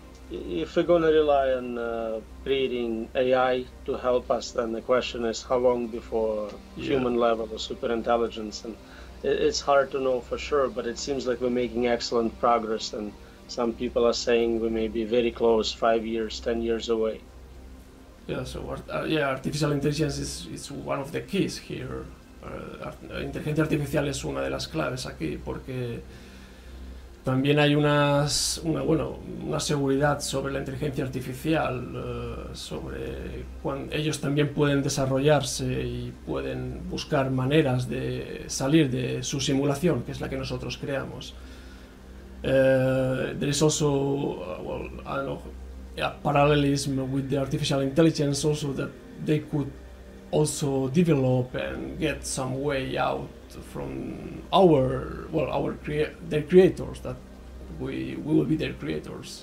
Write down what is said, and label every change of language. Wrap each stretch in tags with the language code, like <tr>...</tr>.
<en>if we're going to rely on creating AI to help us, then the question is how long before human level of super intelligence? And it's hard to know for sure, but it seems like we're making excellent progress. And some people are saying we may be very close, 5 years, 10 years away. Artificial intelligence is one of the keys here.</en> <es>Inteligencia artificial es una de las claves aquí, porque también hay una seguridad sobre la inteligencia artificial, sobre cuando ellos también pueden desarrollarse y pueden buscar maneras de salir de su simulación, que es la que nosotros creamos.</es> <en>There is also, well, I don't know, a parallelism with the artificial intelligence also that they could also develop and get some way out from their creators, that we will be their creators.</en>